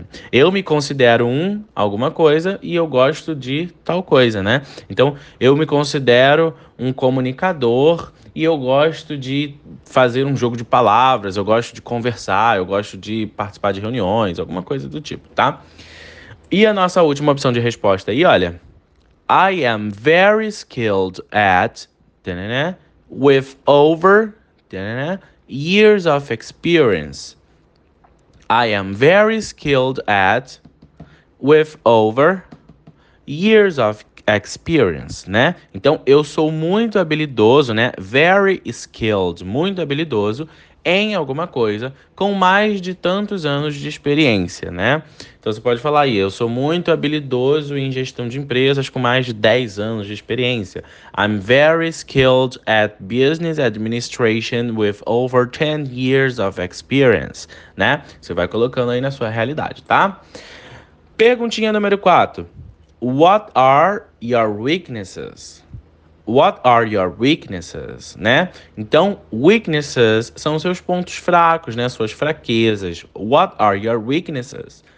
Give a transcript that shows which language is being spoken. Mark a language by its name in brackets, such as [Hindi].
[Portuguese] Eu me considero um alguma coisa e eu gosto de tal coisa, né? Então, eu me considero um comunicador. E eu gosto de fazer um jogo de palavras, eu gosto de conversar, eu gosto de participar de reuniões, alguma coisa do tipo, tá? E a nossa última opção de resposta aí, olha. [English] I am very skilled at, with over, years of experience. I am very skilled at, with over, years of experience, né? [Portuguese] Então eu sou muito habilidoso, né? [English] Very skilled, [Portuguese] muito habilidoso em alguma coisa com mais de tantos anos de experiência, né? Então você pode falar aí, eu sou muito habilidoso em gestão de empresas com mais de 10 anos de experiência. [English] I'm very skilled at business administration with over 10 years of experience, né? [Portuguese] Você vai colocando aí na sua realidade, tá? Perguntinha número 4. [English] What are your weaknesses? What are your weaknesses, [Portuguese] né? Então, weaknesses são seus pontos fracos, né? Suas fraquezas. [English] What are your weaknesses?